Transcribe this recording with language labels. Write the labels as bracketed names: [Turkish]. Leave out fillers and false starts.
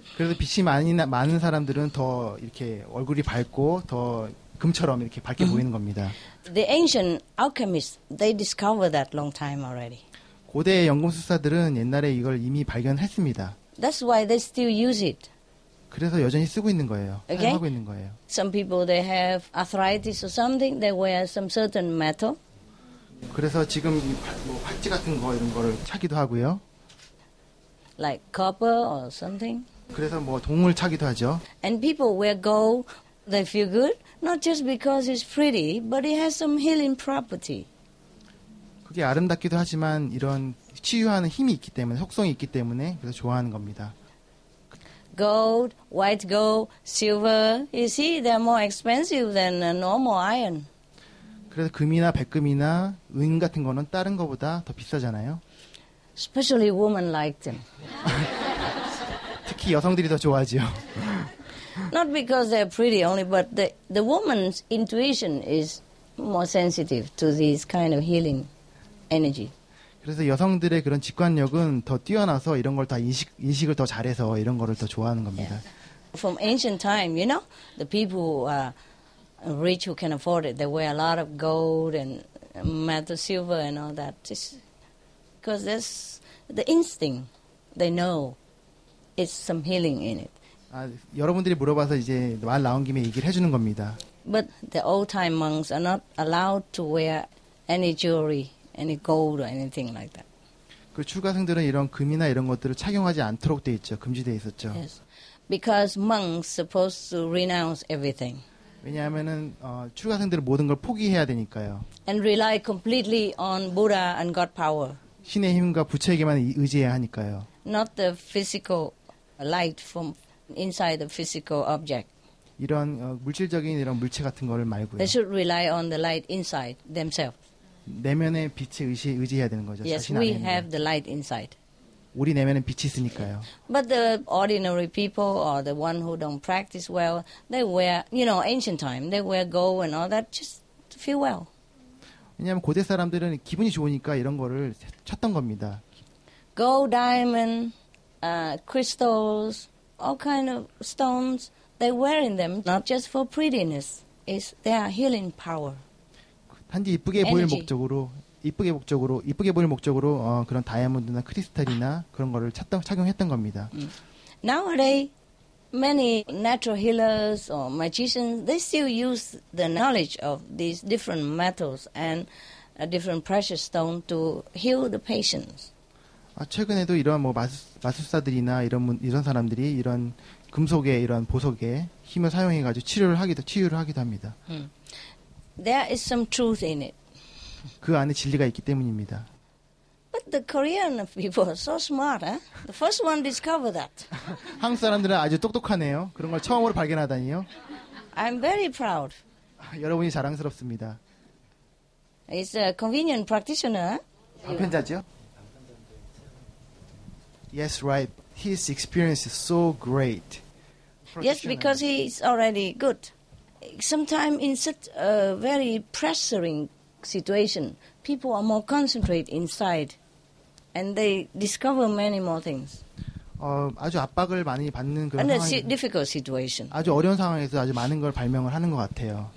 [Korean] 그래서 빛이 많은 사람들은 더 이렇게 얼굴이 밝고 더 금처럼 이렇게 밝게 보이는 겁니다. [English] The ancient alchemists, they discovered that long time already. [Korean] 고대 연금술사들은 옛날에 이걸 이미 발견했습니다. [English] That's why they still use it. [Korean] 그래서 여전히 쓰고 있는 거예요. [English] Okay. [Korean] 사용하고 있는 거예요. [English] Some people they have arthritis or something. They wear some certain metal. [Korean] 그래서 지금 뭐 박지 같은 거 이런 거를 차기도 하고요. [English] Like copper or something. [Korean] 그래서 뭐 동을 차기도 하죠. [English] And people wear gold, they feel good, not just because it's pretty, but it has some healing property. [Korean] 그게 아름답기도 하지만 이런 치유하는 힘이 있기 때문에 속성이 있기 때문에 그래서 좋아하는 겁니다. [English] Gold, white gold, silver. You see, they're more expensive than normal iron. [Korean] 그래서 금이나 백금이나 은 같은 거는 다른 거보다 더 비싸잖아요. [English] Especially women like them. [Korean] 특히 여성들이 더 좋아하지요. [English] Not because they're pretty only, but the woman's intuition is more sensitive to this kind of healing energy. [Korean] 그래서 여성들의 그런 직관력은 더 뛰어나서 이런 걸 다 인식을 더 잘해서 이런 거를 더 좋아하는 겁니다. [English] Yeah. From ancient time, you know, the people who are rich who can afford it, they wear a lot of gold and metal, silver and all that. Just because that's the instinct. They know it's some healing in it. [Korean] 아, 여러분들이 물어봐서 이제 말 나온 김에 얘기를 해주는 겁니다. [English] But the old-time monks are not allowed to wear any jewelry. Any gold or anything like that. [Korean] 그 출가생들은 이런 금이나 이런 것들을 착용하지 않도록 돼 있죠. 금지돼 있었죠. [English] Yes. Because monks supposed to renounce everything. [Korean] 왜냐하면은 출가생들은 모든 걸 포기해야 되니까요. [English] And rely completely on Buddha and God power. [Korean] 신의 힘과 부처에게만 의지해야 하니까요. [English] Not the physical light from inside the physical object. [Korean] 이런 물질적인 이런 물체 같은 거를 말고요. [English] They should rely on the light inside themselves. [Korean] 내면의 빛에 의지해야 되는 거죠. [English] Yes, we have the light inside. [Korean] 우리 내면에 빛이 있으니까요. [English] But the ordinary people or the one who don't practice well, they wear, you know, ancient time, they wear gold and all that just to feel well. [Korean] 왜냐하면 고대 사람들은 기분이 좋으니까 이런 거를 찾던 겁니다. [English] Gold, diamond, crystals, all kind of stones, they wearing them not just for prettiness. It's their healing power. [Korean] 단지 이쁘게 보일 Energy. 목적으로 이쁘게 목적으로 이쁘게 보일 목적으로 그런 다이아몬드나 크리스탈이나 그런 거를 착용했던 겁니다. [English] Nowadays, many natural healers or magicians they still use the knowledge of these different metals and different precious stone to heal the patients. [Korean] 아, 최근에도 이런 뭐 마술사들이나 이런 사람들이 이런 금속에 이런 보석에 힘을 사용해 가지고 치유를 하기도 합니다. [English] There is some truth in it. [Korean] 그 안에 진리가 있기 때문입니다. [English] But the Korean people are so smart, huh? The first one discovered that. [Korean] 한국 사람들은 아주 똑똑하네요. 그런 걸 처음으로 발견하다니요. [English] I'm very proud. [Korean] 여러분이 자랑스럽습니다. [English] It's a convenient practitioner. [Korean] 방편자죠? [English] Yes, right. His experience is so great. Yes, because he's already good. Sometimes in such a very pressuring situation, people are more concentrated inside, and they discover many more things. [Korean] 아주 압박을 많이 받는 그런 [English] and 상황이, difficult situation. [Korean] 아주 어려운 상황에서 아주 많은 걸 발명을 하는 것 같아요.